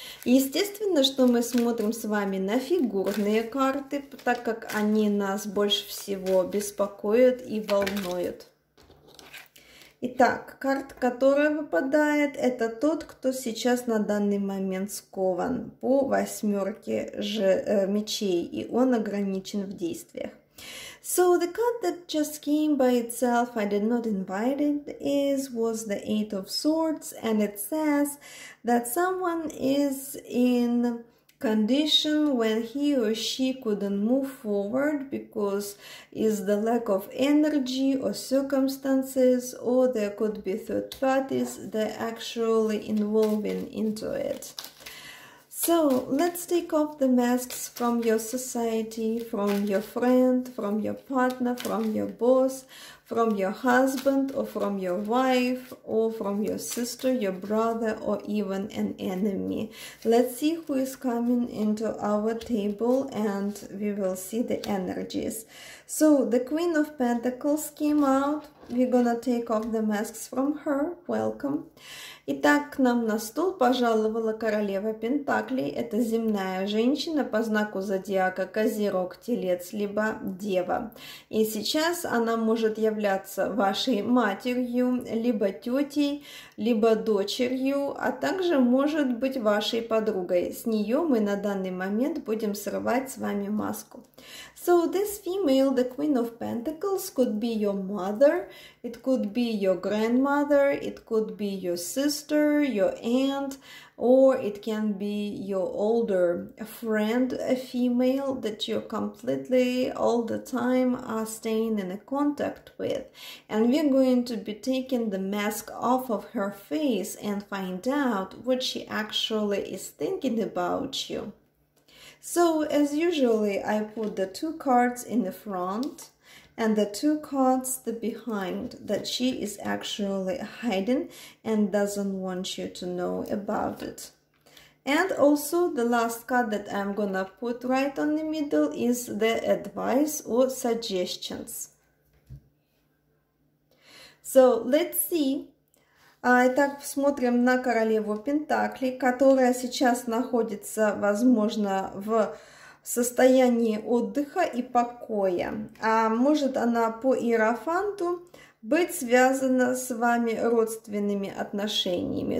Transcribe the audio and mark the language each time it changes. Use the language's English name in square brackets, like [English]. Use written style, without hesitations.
[Russian] Естественно, что мы смотрим с вами на фигурные карты, так как они нас больше всего беспокоят и волнуют. Итак, карта, которая выпадает, это тот, кто сейчас на данный момент скован по восьмерке мечей, и он ограничен в действиях. [English] So the card that just came by itself, I did not invite it, was the Eight of Swords, and it says that someone is in condition when he or she couldn't move forward because is the lack of energy or circumstances, or there could be third parties that actually involving into it. So let's take off the masks from your society, from your friend, from your partner, from your boss, from your husband, or from your wife, or from your sister, your brother, or even an enemy. Let's see who is coming into our table and we will see the energies. So the Queen of Pentacles came out. We're gonna take off the masks from her. Welcome. [Russian] Итак, к нам на стол пожаловала королева Пентаклей. Это земная женщина по знаку зодиака Козерог, Телец, либо Дева. И сейчас она может являться вашей матерью, либо тетей, либо дочерью, а также может быть вашей подругой. С нее мы на данный момент будем срывать с вами маску. [English] So this female, the Queen of Pentacles, could be your mother, it could be your grandmother, it could be your sister, your aunt, or it can be your older friend, a female that you're completely all the time are staying in contact with. And we're going to be taking the mask off of her face and find out what she actually is thinking about you. So, as usually, I put the two cards in the front and the two cards the behind that she is actually hiding and doesn't want you to know about it. And also, the last card that I'm gonna put right on the middle is the advice or suggestions. So, let's see. [Russian] Итак, смотрим на королеву Пентакли, которая сейчас находится, возможно, в состоянии отдыха и покоя. А может она по иерофанту быть связана с вами родственными отношениями.